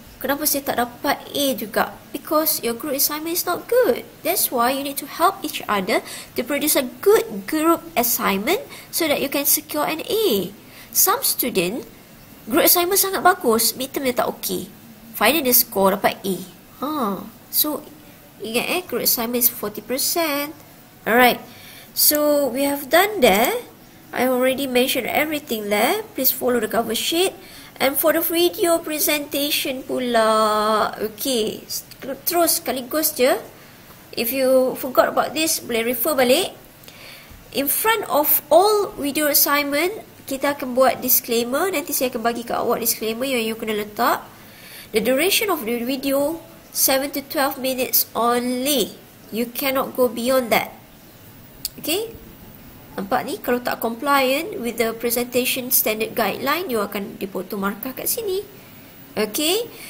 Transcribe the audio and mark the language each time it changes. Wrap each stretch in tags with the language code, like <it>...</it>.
<ms>Kenapa saya tak dapat A juga?</ms> <en>Because your group assignment is not good. That's why you need to help each other to produce a good group assignment so that you can secure an A. Some student group assignment</en> <ms>sangat bagus,</ms> <en>midterm</en> <ms>dia tak</ms> <en>okay, final dia score</en> <ms>dapat</ms> <en>A. So,</en> <ms>ingat</ms> <en>group assignment is 40%. Alright, so we have done there. I already mentioned everything there. Please follow the cover sheet. And for the video presentation pula, okay,</en> <ms>terus sekaligus je.</ms> <en>If you forgot about this,</en> <ms>boleh</ms> <en>refer</en> <ms>balik.</ms> <en>In front of all video assignment,</en> <ms>kita akan buat</ms> <en>disclaimer.</en> <ms>Nanti saya akan bagi kat awak disclaimer yang you kena letak.</ms> <en>The duration of the video, 7 to 12 minutes only. You cannot go beyond that. Okay?</en> <ms>Nampak ni, kalau tak</ms> <en>compliant with the presentation standard guideline, you</en> <ms>akan dipotong markah kat sini.</ms> <en>Okay?</en>